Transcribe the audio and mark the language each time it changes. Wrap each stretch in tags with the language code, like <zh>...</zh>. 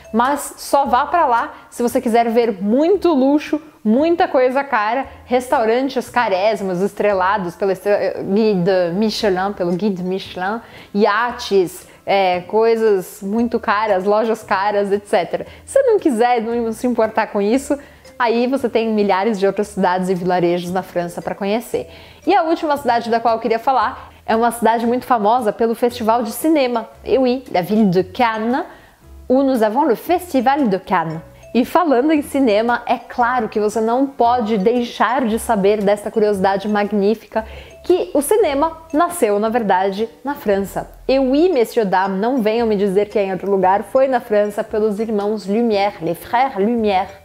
<pt>Mas só vá para lá se você quiser ver muito luxo, muita coisa cara, restaurantes carésimos, estrelados pelo Guide Michelin, iates, coisas muito caras, lojas caras, etc. Se não quiser, não se importar com isso, aí você tem milhares de outras cidades e vilarejos na França para conhecer. E a última cidade da qual eu queria falar é uma cidade muito famosa pelo festival de cinema.</pt> <fr>La ville de Cannes, où nous avons le festival de Cannes.</fr> <pt>E falando em cinema, é claro que você não pode deixar de saber desta curiosidade magnífica que o cinema nasceu, na verdade, na França.</pt> <fr>Oui, messieurs, dames,</fr> <pt>não venham me dizer que é em outro lugar, foi na França pelos irmãos Lumière, les frères Lumière.</pt>